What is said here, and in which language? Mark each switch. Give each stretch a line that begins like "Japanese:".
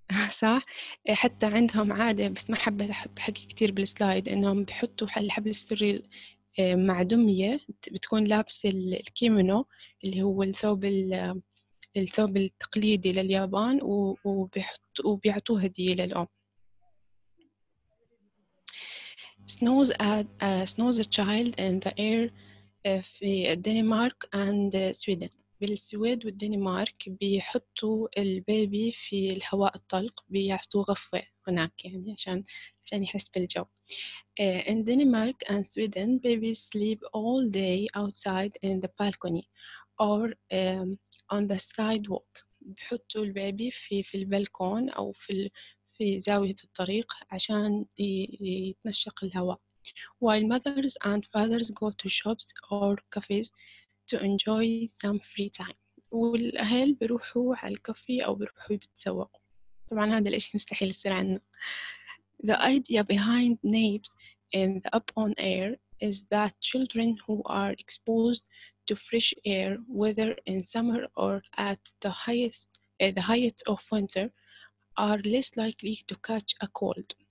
Arabic: صح، حتى عندهم عادة بس ما حبيت أحط حكي كتير بالسلايد إنهم بيحطوا الحبل السري مع دمية بتكون لابس الكيمونو اللي هو الثوب التقليدي لليابان وبيعطوه هدية للأم.
English: Snows a child in the air
Arabic: في الدنمارك
English: and Sweden.
Arabic: بالسويد والدنمارك بيحطوا البيبي في الهواء الطلق، بيعطوه غفوة هناك يعني عشان يحس بالجو.
English: In Denmark and Sweden, babies sleep all day outside in the balcony or on the sidewalk.
Arabic: بيحطوا البيبي في البلكون أو في زاوية الطريق عشان يتنشق الهواء.
English: While mothers and fathers go to shops or cafes to enjoy some free time.
Arabic: والأهل بروحوا على الكافي أو بروحوا يتسوقوا. طبعاً هذا الإشي مستحيل يصير عنا.
English: The idea behind napes in the open air is that children who are exposed to fresh air, whether in summer or at the height of winter, are less likely to catch a cold.